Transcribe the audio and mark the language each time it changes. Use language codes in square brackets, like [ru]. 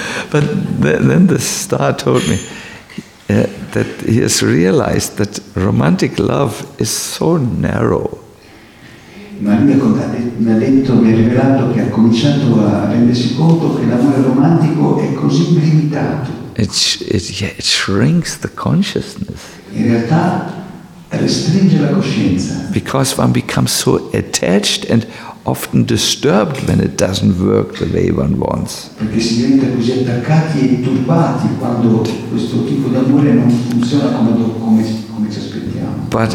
[en] But then the star told me that he has realized that romantic love is so narrow. [it] Ma lui mi ha detto, mi ha rivelato che ha cominciato a rendersi conto che l'amore romantico è così limitato. [en] It shrinks the consciousness. [it] In realtà restringe la coscienza. [en] Because one becomes so attached and often disturbed when it doesn't work the way one wants. [it] Perché si diventa così attaccati e turbati quando questo tipo d'amore non funziona come ci aspettiamo.